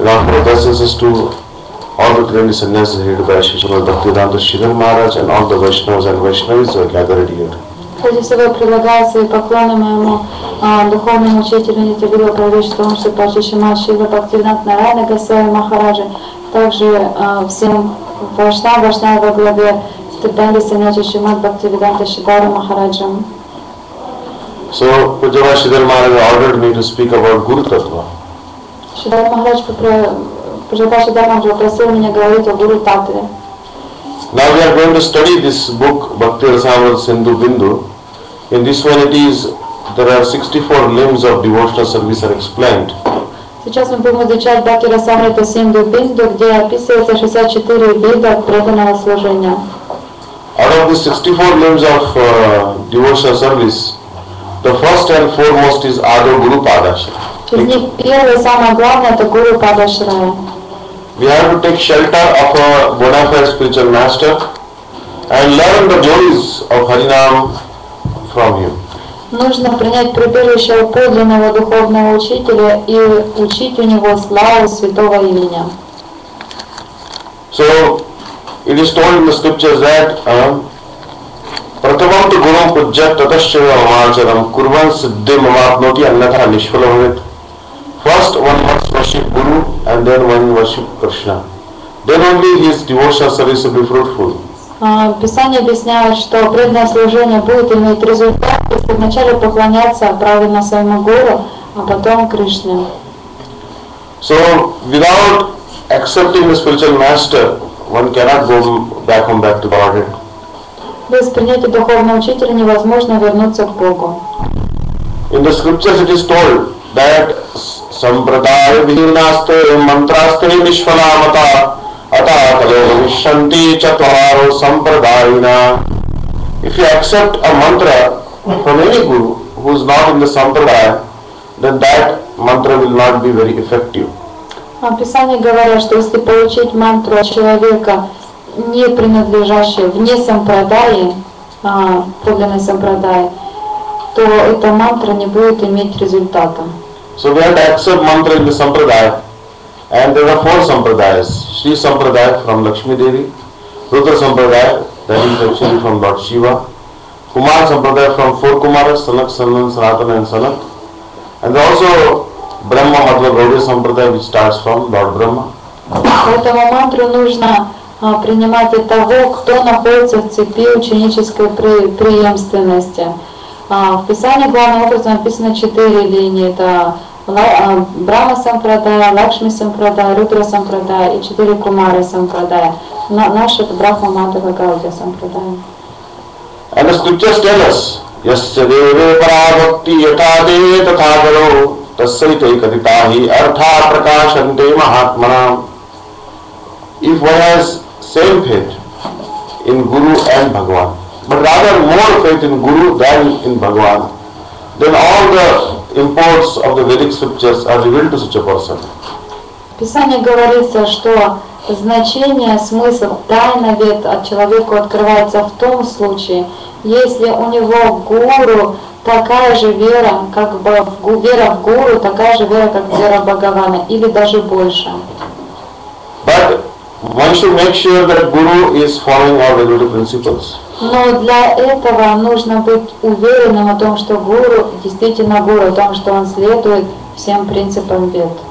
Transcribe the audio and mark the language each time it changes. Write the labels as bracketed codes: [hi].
[en] And our blessings to all the grand sannyasis headed by Shishim Bhakti Radha Sridhar Maharaj and all the Vaishnavas and Vaishnavis who are gathered here. [ru] Прежде всего, предлагаю свои поклоны моему духовному учителю Нитягуру Правительству Шипа Шишима Шива Бхактивинат Нарайна Госвами Махараджа, также всем Вашнава во главе Стипенди Санати Шимат Бхактивинат Шипара Махараджам. [en] So, Пуджава Шридхар Махарадж ordered me to speak about Guru Tattva. [ru] Шридхар Махарадж попросил меня говорить о Guru Tattva. [en] Now we are going to study this book, Bhakti Rasamrita Sindhu Bindu. In this one it is, there are 64 limbs of devotional service are explained. [ru] Сейчас мы будем изучать Бхакти Расамрита Синдху Бинду, где описывается 64 вида преданного служения. [en] Out of the 64 limbs of devotional service, the first and foremost is Adho Guru Padashraya. [ru] Из них первое, самое главное, это Guru Padashraya. [en] we have to take shelter of a bona fide spiritual master and learn the joys of Harinam from him. [ru] Нужно принять прибежище у подлинного духовного учителя и учить у него славу святого имени. [en] So it is told in the scriptures that [sa] pratamam tu guru pujya tatashchaya amacharam kurvan siddhi mamapnoti annatha nishfala bhavet. [en] First one must worship guru and then one worship Krishna. Then only his devotional service will be fruitful. [ru] Писание объясняет, что преданное служение будет иметь результат, если вначале поклоняться правильно своему гуру, а потом Кришне. [en] So without accepting the spiritual master, one cannot go back home back to Godhead. [ru] Без принятия духовного учителя невозможно вернуться к Богу. [en] In the scriptures it is told that [sa] sampradaya vihinaste mantraste nishfalamata. [en] If you accept a mantra from any guru who is not in the sampradaya, then that mantra will not be very effective. [ru] Описание говорит, что если получить мантру от человека, не принадлежащего вне сампрадаи, подлинной сампрадаи, то эта мантра не будет иметь результата. [en] So we have to accept mantra in the sampradaya. And there are four sampradayas. Shri Sampradaya from Lakshmi Devi, Rudra Sampradaya, that is actually from Lord Shiva, Kumar Sampradaya from four Kumaras, Sanak, Sanan, Sanatana and Sanat, and also Brahma Madhva Gaudiya Sampradaya, which starts from Lord Brahma. [ru] Поэтому мантру нужно принимать от того, кто находится в цепи ученической преемственности. В Писании главным образом написано четыре линии. Это Брама Сампрадая, Лакшми Сампрадая, Рудра Сампрадая и четыре Кумары Сампрадая. Наш это Брахма Мадхава Гаудия Сампрадая. [en] And the scriptures tell us, [sa] Yasya Deve Parabhakti Yatade Tathagaro Tassaite Kaditahi Artha Prakashante Mahatmana. [en] If one has same faith in Guru and Bhagavan, but rather more faith in Guru than in Bhagavan, then all the imports of the Vedic scriptures are revealed to such a person. [ru] Писание говорится, что значение, смысл, тайна вед от человека открывается в том случае, если у него гуру такая же вера, как бы вера в гуру, такая же вера, как вера Бхагавана, или даже больше. [en] But one should make sure that guru is following all the Vedic principles. [ru] Но для этого нужно быть уверенным о том, что гуру действительно гуру, о том, что он следует всем принципам вед.